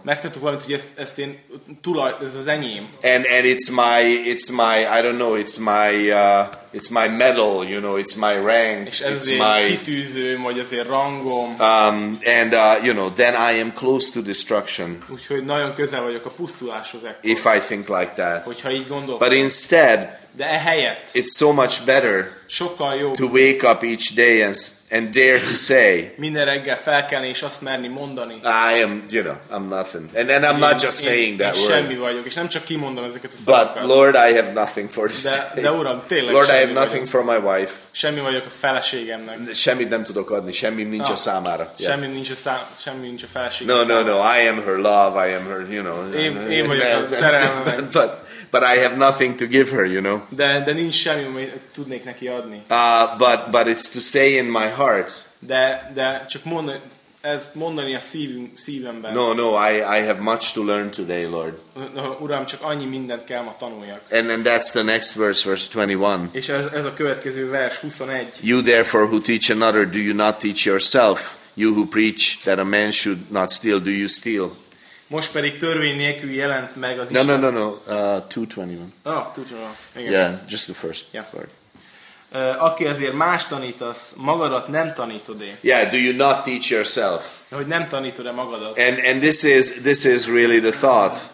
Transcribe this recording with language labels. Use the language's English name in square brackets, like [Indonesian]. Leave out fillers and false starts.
[Hungarian] Megtartok valamit, hogy ezt én tulaj, ez az enyém. [English] And it's my I don't know, it's my medal, you know, it's my rank. [Hungarian] És ez azért kitűzőm, vagy azért rangom. [English] You know, then I am close to destruction. [Hungarian] Úgyhogy nagyon közel vagyok a pusztuláshoz ekkor. [English] If I think like that. [Hungarian] Hogyha így gondolok. [English] But instead, [Hungarian] de ehelyett, [English] it's so much better to wake up each day and dare to say, [Hungarian] minden reggel felkelni és azt merni mondani, [English] I am, you know, I'm nothing. And I'm not just saying that word. [Hungarian] Semmi vagyok, és nem csak kimondom ezeket a szavakat. [English] But Lord, I have nothing for this day. [Hungarian] De Uram, tényleg [English] Lord, I have nothing for my wife. [Hungarian] Semmi vagyok a feleségemnek. Semmit nem tudok adni, semmi nincs a számára. Semmi nincs a feleségem. [English] No, I am her love, I am her, you know. [Hungarian] Én vagyok a szerelmem. [English] But I have nothing to give her, you know. [Hungarian] De nincs semmi, amit tudnék neki adni. [English] But it's to say in my heart. [Hungarian] De csak mondani a szívemben. [English] No, I have much to learn today, Lord. [Hungarian] Uram, csak annyi mindent kell ma tanuljak. [English] And that's the next verse 21. [Hungarian] És ez a következő vers 21. [English] You therefore who teach another, do you not teach yourself? You who preach that a man should not steal, do you steal? [Hungarian] Most pedig törvény nélkül jelent meg az [English] Isten. No, 221. Ah, oh, 221. Yeah, just the first part. [Hungarian] Aki azért más tanítasz, magadat nem tanítod-e? [English] Yeah, do you not teach yourself? [Hungarian] Hogy nem tanítod-e magadat? [English] And this is really the thought.